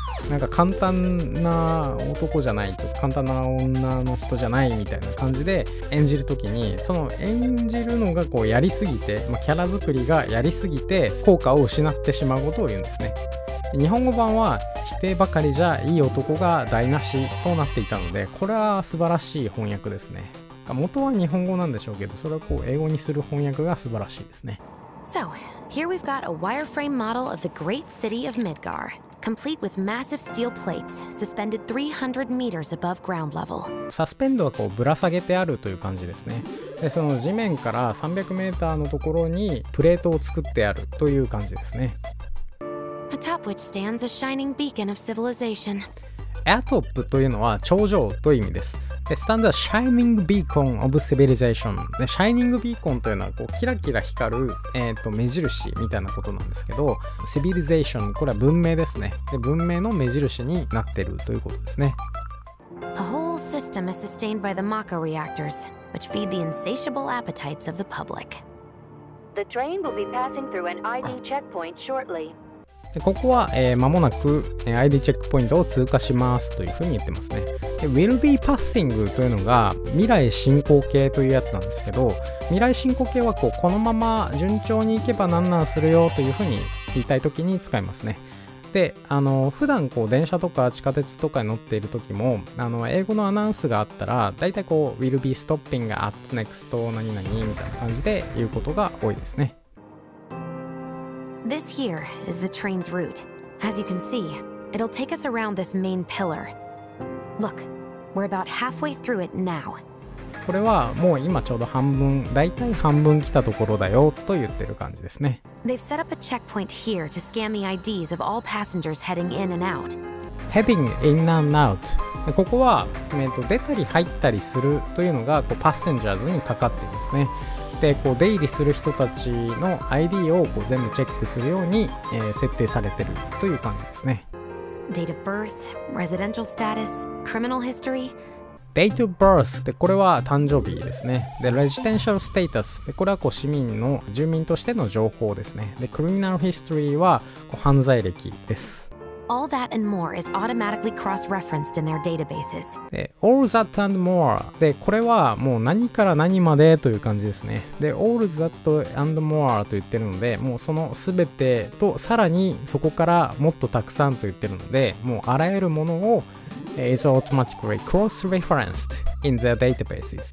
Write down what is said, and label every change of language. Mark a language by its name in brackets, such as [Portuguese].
[Japanese] なんか簡単な男じゃないと簡単な女の人じゃないみたいな感じで演じるときに、その演じるのがこうやりすぎて、まあ、キャラ作りがやりすぎて効果を失ってしまうことを言うんですね。日本語版は否定ばかりじゃいい男が台無しとなっていたので、これは素晴らしい翻訳ですね。元は日本語なんでしょうけど、それをこう英語にする翻訳が素晴らしいですね。 [English] So, here we've got a wireframe model of the great city of Midgar. Complete with massive steel plates suspended 300 meters above ground level. [Japanese] Suspend はこうぶら下げてあるという感じですね。で、その地面から300メーターのところにプレートを作ってあるという感じですね。 [English] Atop which stands a shining beacon of civilization. [Japanese] Atop というのは頂上という意味です。で、 [English] stands a shining beacon of civilization。 [Japanese] で、 [English] shining beacon [Japanese] というのはこうキラキラ光る、目印みたいなことなんですけど、civilization、 これは文明ですね。で、文明の目印になってるということですね。 [English] The whole system is sustained by the Mako reactors, which feed the insatiable appetites of the public. The train will be passing through an ID checkpoint shortly. [Japanese] で、ここは、間もなく、ID チェックポイントを通過しますというふうに言ってますね。で、 [English] will be passing [Japanese] というのが未来進行形というやつなんですけど、未来進行形はこうこのまま順調にいけばなんなんするよというふうに言いたいときに使いますね。で、普段こう電車とか地下鉄とかに乗っている時も、英語のアナウンスがあったら、だいたいこう [English] will be stopping at next [Japanese] 何々みたいな感じで言うことが多いですね。 [English] This here is the train's route. As you can see, it'll take us around this main pillar. Look, we're about halfway through it now. [Japanese] これはもう今ちょうど半分、だいたい半分来たところだよと言ってる感じですね。 [English] They've set up a checkpoint here to scan the IDs of all passengers heading in and out. Heading in and out. [Japanese] ここは、出たり入ったりするというのがこうパッセンジャーズにかかっていますね。で、こう出入りする人たちの ID をこう全部チェックするように、設定されてるという感じですね。 [English] Date of birth, residential status, criminal history. Date of birth [Japanese] でこれは誕生日ですね。で、 [English] residential status [Japanese] でこれはこう市民の住民としての情報ですね。で、 [English] criminal history [Japanese] はこう犯罪歴です。 [English] All that and more is automatically cross-referenced in their databases. All that and more. [Japanese] で、これはもう何から何までという感じですね。で、 [English] all that and more [Japanese] と言ってるので、もうその全てとさらにそこからもっとたくさんと言ってるので、もうあらゆるものを [English] is automatically cross-referenced in their databases.